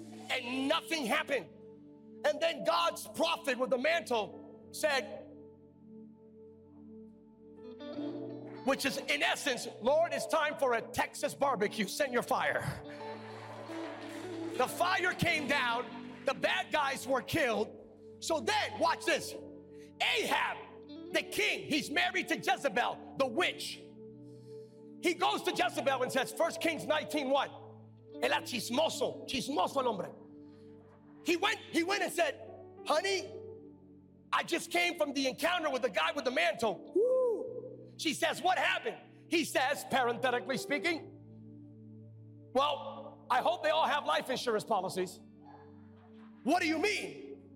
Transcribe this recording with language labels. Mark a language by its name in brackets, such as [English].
[English] And nothing happened. And then God's prophet with the mantle said, which is in essence, Lord, it's time for a Texas barbecue. Send your fire. The fire came down. The bad guys were killed. So then, watch this. Ahab, the king, he's married to Jezebel, the witch. He goes to Jezebel and says, 1 Kings 19:1. [Spanish] Era chismoso, chismoso el hombre. [English] He went and said, honey, I just came from the encounter with the guy with the mantle. Woo. She says, what happened? He says, parenthetically speaking, well, I hope they all have life insurance policies. What do you mean?